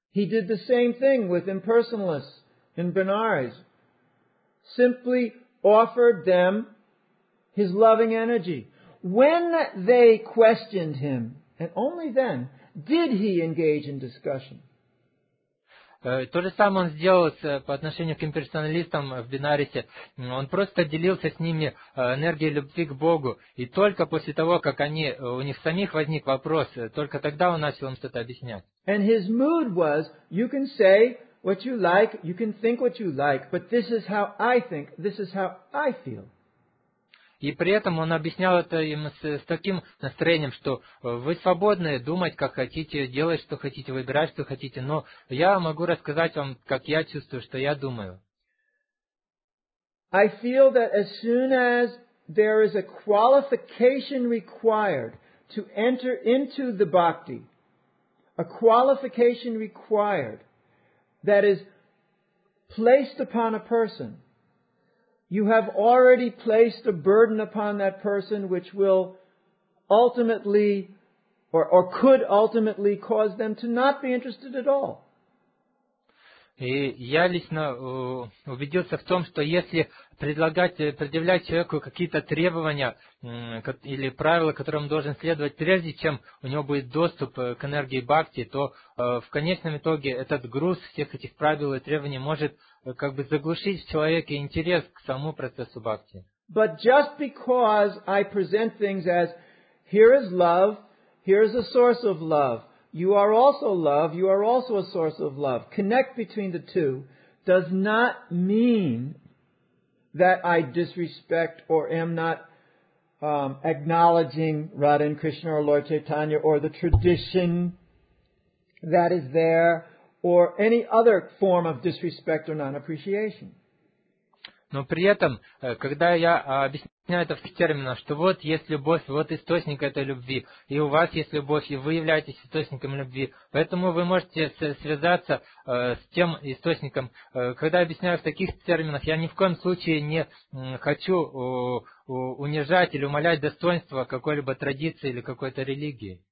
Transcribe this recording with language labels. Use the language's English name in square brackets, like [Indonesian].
[English] He did the same thing with impersonalists in Benares. Simply offered them his loving energy. When they questioned him, and only then, did he engage in discussion. [Russian] То же самое он сделал по отношению к имперсоналистам в Бенарисе. Он просто делился с ними энергией любви к Богу. И только после того, как у них самих возник вопрос, только тогда он начал им что-то объяснять. [English] And his mood was, you can say what you like, you can think what you like, but this is how I think, this is how I feel. [Russian] И при этом он объяснял это им с таким настроением, что вы свободны думать, как хотите, делать, что хотите, выбирать, что хотите, но я могу рассказать вам, как я чувствую, что я думаю. [English] I feel that as soon as there is a qualification required to enter into the bhakti, a qualification required that is placed upon a person, you have already placed a burden upon that person which will ultimately or could ultimately cause them to not be interested at all. [Russian] И я лично убедился в том, что если предъявлять человеку какие-то требования или правила, которым он должен следовать, прежде чем у него будет доступ к энергии бхакти, то в конечном итоге этот груз всех этих правил и требований может как бы заглушить в человеке интерес к самому процессу бхакти. [English] But just because I present things as here is love, here is a source of love, you are also love, you are also a source of love, connect between the two, does not mean that I disrespect or am not acknowledging Radha and Krishna or Lord Chaitanya or the tradition that is there or any other form of disrespect or non-appreciation. [Russian] Но при этом, когда я объясняю это в терминах, что вот есть любовь, вот источник этой любви, и у вас есть любовь, и вы являетесь источником любви, поэтому вы можете связаться с тем источником. Когда я объясняю в таких терминах, я ни в коем случае не хочу унижать или умалять достоинство какой-либо традиции или какой-то религии.